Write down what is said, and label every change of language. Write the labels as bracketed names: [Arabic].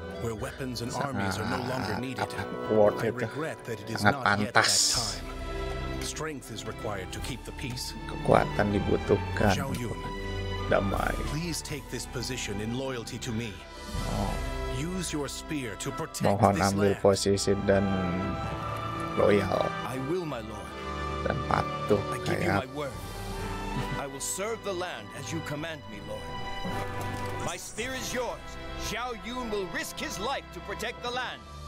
[English] Where weapons and armies are no longer needed. I regret that it is not yet that time. Strength is required to keep the peace. [Indonesian] Kekuatan dibutuhkan. Damai. [English] Please take this position in loyalty to me. Use your spear to protect this land. [Indonesian] Mohon ambil posisi dan loyal. [English] I will, my lord. [Indonesian] Dan patuh. [English] I give you my word. I will serve the land as you command me, lord. My spear is yours. Xiao Yun will risk his life to protect the land.